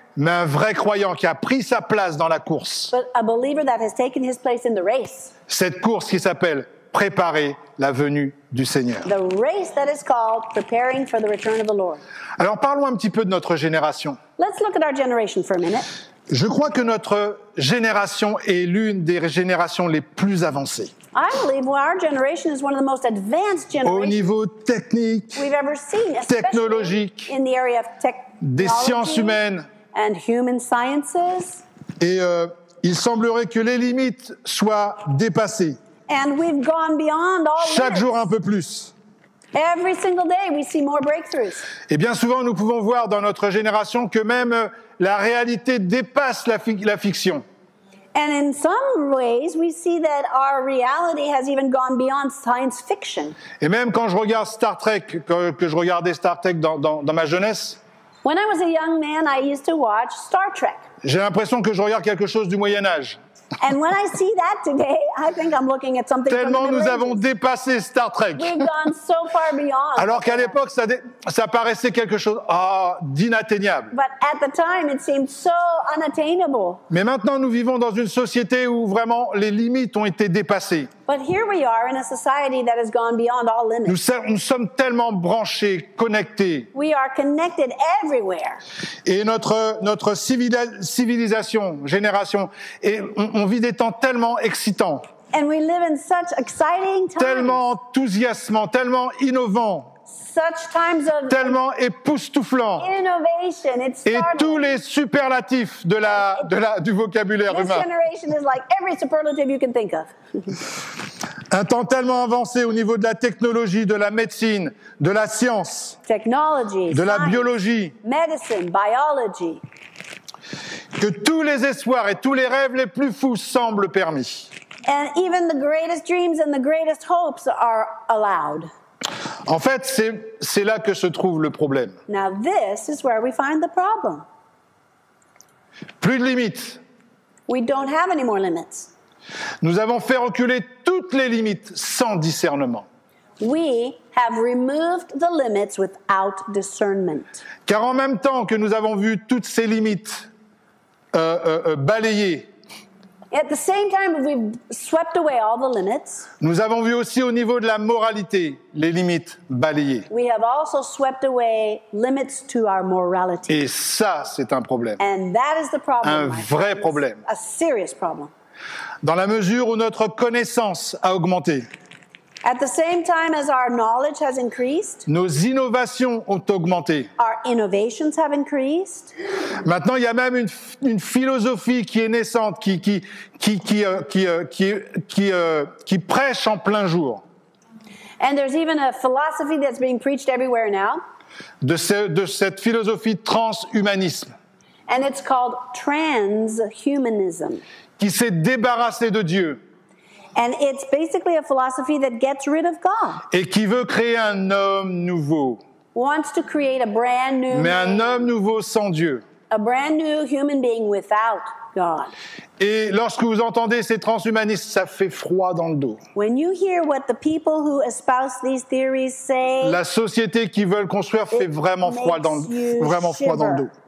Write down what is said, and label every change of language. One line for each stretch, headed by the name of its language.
French: Mais un vrai croyant qui a pris sa place dans la course.
English: But a believer that has taken his place in the race.
French: Cette course qui s'appelle préparer la venue du Seigneur.
English: The race that is called preparing for the return of the Lord.
French: Alors parlons un petit peu de notre génération.
English: Let's look at our generation for a minute.
French: Je crois que notre génération est l'une des générations les plus avancées.
English: I believe our generation is one of the most advanced generations.
French: Au niveau technique.
English: We've ever seen,
French: technologique.
English: In the area of
French: des sciences humaines.
English: And human sciences.
French: Et il semblerait que les limites soient dépassées.
English: And we've gone beyond all
French: chaque
English: limits.
French: Jour un peu plus.
English: Every single day, we see more breakthroughs.
French: Et bien souvent, nous pouvons voir dans notre génération que même la réalité dépasse la fiction.
English: And in some ways, we see that our reality has even gone beyond science fiction.
French: Et même quand je regarde Star Trek, que je regardais Star Trek dans ma jeunesse.
English: When I was a young man, I used to watch Star Trek.
French: J'ai l'impression que je regarde quelque chose du Moyen Âge.
English: And when I see that today, I think I'm looking at something.
French: Tellement nous avons dépassé Star Trek.
English: We've gone so far beyond.
French: Alors qu'à l'époque, ça paraissait quelque chose d'inatteignable.
English: But at the time, it seemed so unattainable.
French: Mais maintenant, nous vivons dans une société où vraiment les limites ont été dépassées.
English: But here we are in a society that has gone beyond all limits.
French: Nous sommes tellement branchés, connectés.
English: We are connected everywhere.
French: Et notre civilisation, génération, et on vit des temps tellement excitants.
English: And we live in such exciting times.
French: Tellement enthousiasmants, tellement innovants.
English: Such times of
French: tellement époustouflants.
English: Innovation.
French: Et tous les superlatifs du vocabulaire humain.
English: This generation is like every superlative you can think of.
French: Un temps tellement avancé au niveau de la technologie, de la médecine, de la science,
English: technology,
French: de la biologie,
English: medicine, biology.
French: Que tous les espoirs et tous les rêves les plus fous semblent permis.
English: And even the greatest dreams and the greatest hopes are allowed.
French: En fait, c'est là que se trouve le problème.
English: Now this is where we find the problem.
French: Plus de limites.
English: We don't have any more limits.
French: Nous avons fait reculer toutes les limites sans discernement.
English: We have removed the limits without discernment.
French: Car en même temps que nous avons vu toutes ces limites balayées,
English: at the same time we've swept away all the limits.
French: Nous avons vu aussi au niveau de la moralité les limites balayées.
English: We have also swept away limits to our morality.
French: Et ça, c'est un problème.
English: And that is the problem.
French: Un vrai problème.
English: A serious problem.
French: Dans la mesure où notre connaissance a augmenté.
English: At the same time as our knowledge has increased,
French: nos innovations ont augmenté.
English: Our innovations have increased.
French: Maintenant, il y a même une philosophie qui est naissante, qui prêche en plein jour.
English: And there's even a philosophy that's being preached everywhere now.
French: De cette philosophie transhumanisme.
English: And it's called transhumanism.
French: Qui s'est débarrassé de Dieu.
English: And it's basically a philosophy that gets rid of God.
French: Et qui veut créer un homme nouveau.
English: Wants to create a brand new.
French: Mais un homme nouveau sans Dieu.
English: A brand new human being without God.
French: Et lorsque vous entendez ces transhumanistes, ça fait froid dans le dos.
English: When you hear what the people who espouse these theories say,
French: la société qu'ils veulent construire fait vraiment froid dans le dos.